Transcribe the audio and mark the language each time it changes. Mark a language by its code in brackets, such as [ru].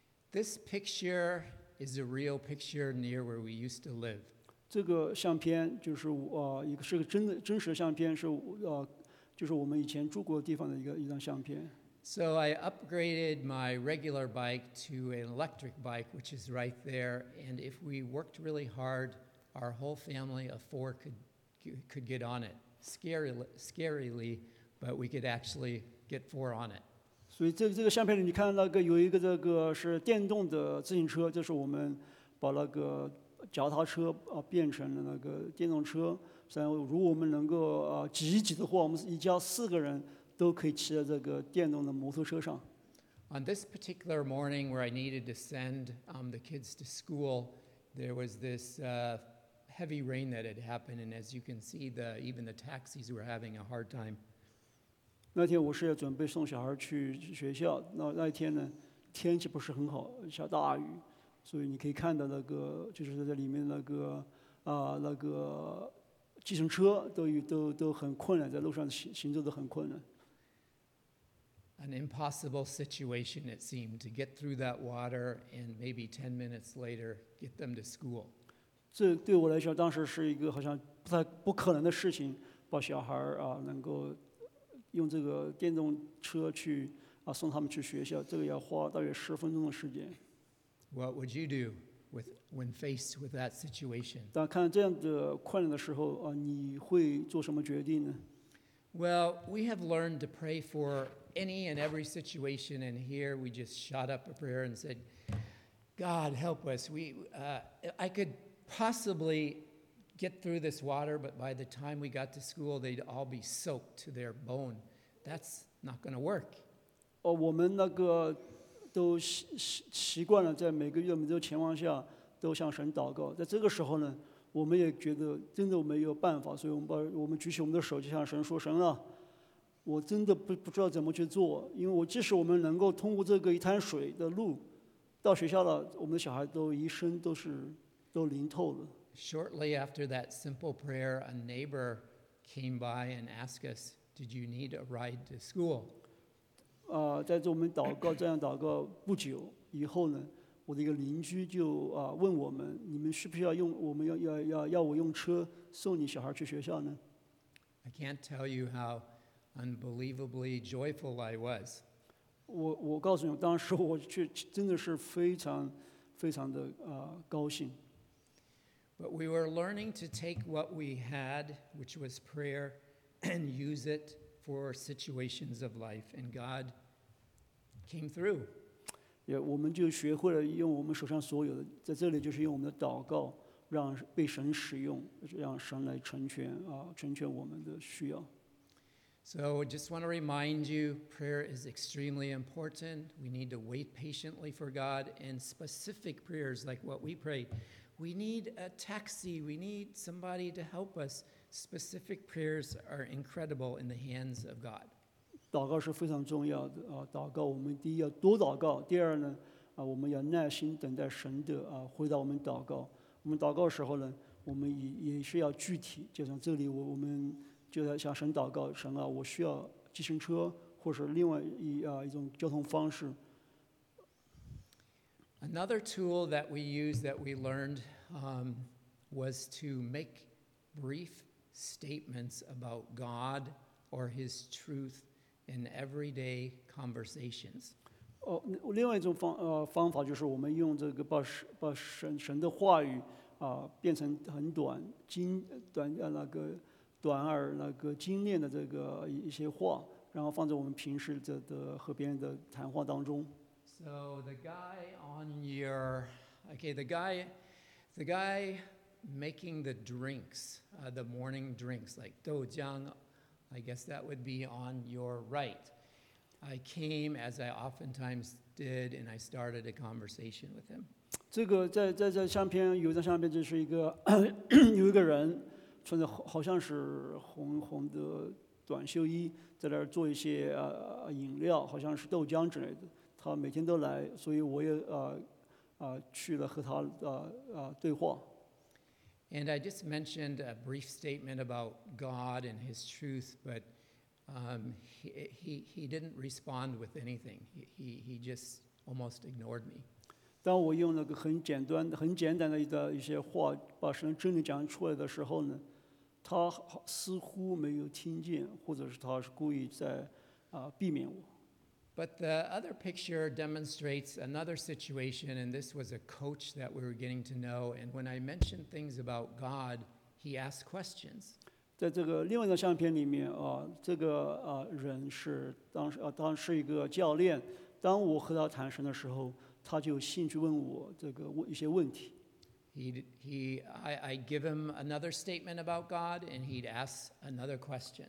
[en] This picture is a real picture near where we used to live. [zh] 这个相片就是一个是个真实的相片，是就是我们以前住过的地方的一张相片。 [en] So I upgraded my regular bike to an electric bike, which is right there. And if we worked really hard, our whole family of four could get on it. Scarily, but we could actually get four on it. [zh] 所以这个相片里，你看那个有一个这个是电动的自行车，这是我们把那个。脚踏车变成了那个电动车，所以如果我们能够挤一挤的话，我们一家四个人都可以骑在这个电动的摩托车上。 [en] On this particular morning, where I needed to send the kids to school, there was this heavy rain that had happened, and as you can see, even the taxis were having a hard time. [zh] 那天我是要准备送小孩去学校，那一天呢，天气不是很好，下大雨。所以你可以看到那个，就是在里面那个，那个计程车都很困难，在路上行走都很困难。 [en] An impossible situation it seemed to get through that water and maybe 10 minutes later get them to school. [zh] 这对我来说，当时是一个好像不可能的事情，把小孩能够用这个电动车去送他们去学校，这个要花大约10分钟的时间。 [en] What would you do when faced with that situation? [zh] 当看这样的困难的时候，你会做什么决定呢？ [en] Well, we have learned to pray for any and every situation, and here we just shot up a prayer and said, God, help us. I could possibly get through this water, but by the time we got to school, they'd all be soaked to their bone. That's not going to work. [zh] 我们那个都习惯了，在每个月每周情况下都向神祷告。在这个时候呢，我们也觉得真的没有办法，所以我们举起我们的手，就向神说：“神啊，我真的不知道怎么去做，因为我即使我们能够通过这个一滩水的路到学校了，我们的小孩都一身都淋透了。” [en] Shortly after that simple prayer, a neighbor came by and asked us, "Did you need a ride to school?" [zh] 在我们祷告这样祷告不久以后呢，我的一个邻居就问我们：“你们需不需要用？我们要我用车送你小孩去学校呢 [en] ？”I can't tell you how unbelievably joyful I was. [zh] 我告诉你，当时我却真的是非常非常的高兴。 [en] But we were learning to take what we had, which was prayer, and use it. For situations of life, and God came through. [zh] Yeah, 我们就学会了用我们手上所有的，在这里就是用我们的祷告，让被神使用，让神来成全我们的需要。 [en] So I just want to remind you, prayer is extremely important. We need to wait patiently for God, and specific prayers like what we pray. We need a taxi. We need somebody to help us. Specific prayers are incredible in the hands of God. [zh] 祷告是非常重要的祷告我们第一要多祷告，第二呢我们要耐心等待神的回答我们祷告。我们祷告的时候呢，我们也是要具体，就像这里我们就在向神祷告，神啊，我需要计程车或是另外一种交通方式。 [en] Another tool that we used that we learned was to make brief statements about God or his truth in everyday conversations. [zh] 另外一种方法就是我们用这个把神的话语变成很短精短那个短而那个精炼的这个一些话，然后放在我们平时的和别人的谈话当中。 [en] So the guy on your, okay, the guy making the drinks, the morning drinks, like doujiang, I guess that would be on your right. I came as I oftentimes did, and I started a conversation with him. [zh] 这个在相片有一张相片，就是一个有一个人穿着好像是红的短袖衣，在那儿做一些饮料，好像是豆浆之类的。他每天都来，所以我也去了和他对话。 [en] And I just mentioned a brief statement about God and His truth, but he didn't respond with anything. He just almost ignored me. [zh] 当我用那个很简单的一些话把神真理讲出来的时候呢，他似乎没有听见，或者是他是故意在避免我。 [en] But the other picture demonstrates another situation, and this was a coach that we were getting to know. And when I mentioned things about God, he asked questions. [zh] 在这个另外一个相片里面这个人是当时一个教练。当我和他谈神的时候，他就兴趣问我这个一些问题。 [en] I give him another statement about God, and he'd ask another question.